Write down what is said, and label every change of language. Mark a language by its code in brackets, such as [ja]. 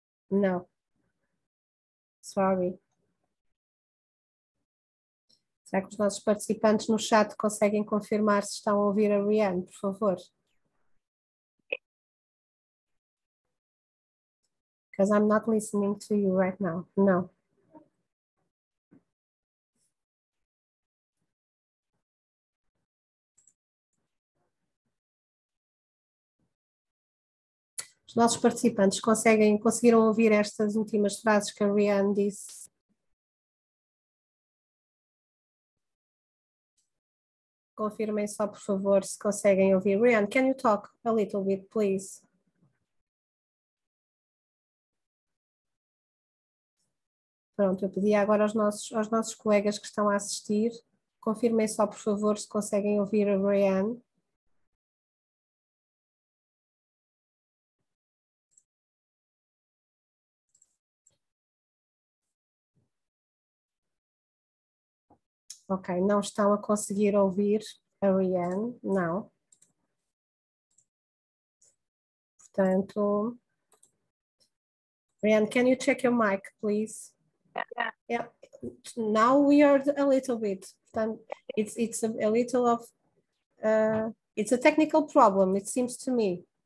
[en] No. Sorry. [pt] Será que os nossos participantes no chat conseguem confirmar se estão a ouvir a Rianne, por favor? [en] Because I'm not listening to you right now. No. [pt] Os nossos participantes conseguiram ouvir estas últimas frases que a Rianne disse? Confirmem só, por favor, se conseguem ouvir. Rianne, [en] can you talk a little bit, please? [pt] Pronto, eu pedi agora aos nossos colegas que estão a assistir, confirmem só, por favor, se conseguem ouvir a Rianne. Ok, não estão a conseguir ouvir a Rianne, não. Portanto, [en] Rianne, can you check your mic, please? Yeah. Now we are a little bit. Then it's a little of. It's a technical problem. It seems to me.